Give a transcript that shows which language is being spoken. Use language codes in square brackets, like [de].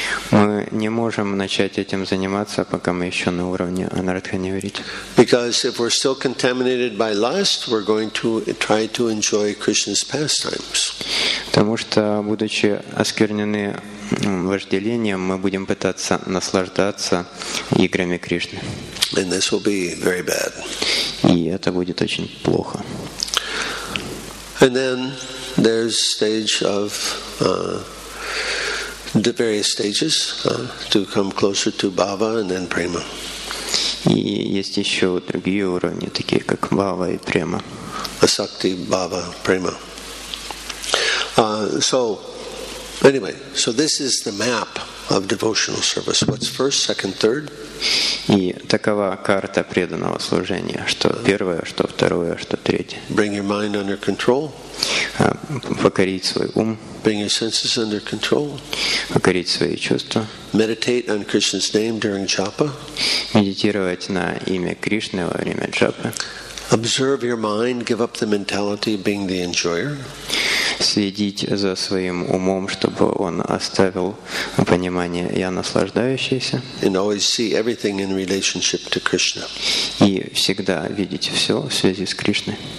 [ru] Мы не можем начать этим заниматься, пока мы ещё на уровне анартха нивритти. [en] Because if we're still contaminated by lust, we're going to try to enjoy Krishna's pastimes. [ru] Потому что, будучи осквернены вожделением, мы будем пытаться наслаждаться играми Кришны. [en] And this will be very bad. [ru] И это будет очень плохо. [en] And then there's stage of the various stages to come closer to bhava and then prema. [ru] И есть ещё другие уровни, такие как бхава и према. [en] Asakti, bhava, prema. So this is the map of devotional service. What's first, second, third? [ru] И такова карта преданного служения, что первое, что второе, что третье. [en] Bring your mind under control. [ru] Покорить свой ум. [en] Bring your senses under control. [ru] Покорить свои чувства. [en] Meditate on Krishna's name during japa. [ru] Медитировать на имя Кришны во время джапы. [en] Observe your mind, give up the mentality of being the enjoyer. [ru] Следить за своим умом, чтобы он оставил понимание «я наслаждающийся». [en] And always see everything in relationship to Krishna. [ru] И всегда видеть всё в связи с Кришной.